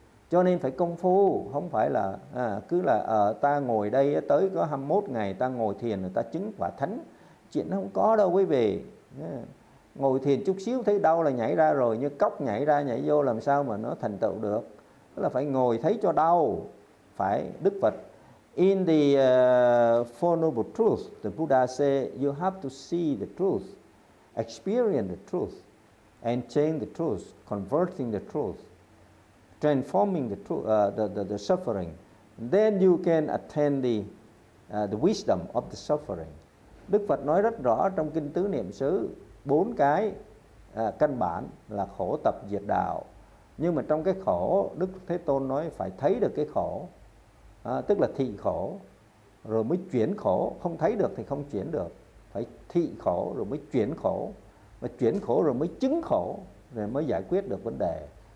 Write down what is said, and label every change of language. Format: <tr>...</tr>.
<vi>Cho nên phải công phu, không phải là ta ngồi đây tới có 21 ngày ta ngồi thiền rồi ta chứng quả thánh. Chuyện không có đâu quý vị. Ngồi thiền chút xíu thấy đau là nhảy ra rồi, như cóc nhảy ra nhảy vô, làm sao mà nó thành tựu được. Tức là phải ngồi thấy cho đau. Phải Đức Phật,</vi> <en>in the Four Noble Truths, the Buddha say you have to see the truth, experience the truth, and change the truth, converting the truth, transforming the truth, the suffering, then you can attain the wisdom of the suffering.</en> <vi>Đức Phật nói rất rõ trong kinh Tứ Niệm Xứ, bốn cái căn bản là khổ tập diệt đạo. Nhưng mà trong cái khổ, Đức Thế Tôn nói phải thấy được cái khổ, tức là thị khổ, rồi mới chuyển khổ. Không thấy được thì không chuyển được, phải thị khổ rồi mới chuyển khổ, mà chuyển khổ rồi mới chứng khổ, rồi mới giải quyết được vấn đề.</vi>